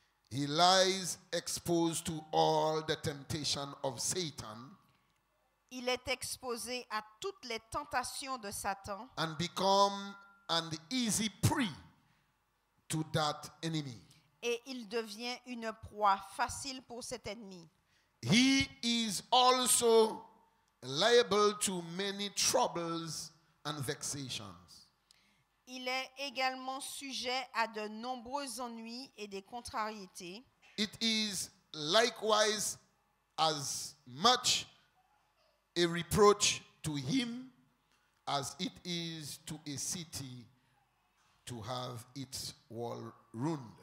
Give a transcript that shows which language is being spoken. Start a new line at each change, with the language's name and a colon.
English: He lies exposed to all the temptation of Satan.
French: Il est exposé à toutes les tentations de Satan.
English: And become an easy prey to that enemy.
French: Et il devient une proie facile pour cet ennemi.
English: He is also liable to many troubles and vexations.
French: Il est également sujet à de nombreux ennuis et des contrariétés.
English: It is likewise as much a reproach to him as it is to a city to have its wall ruined.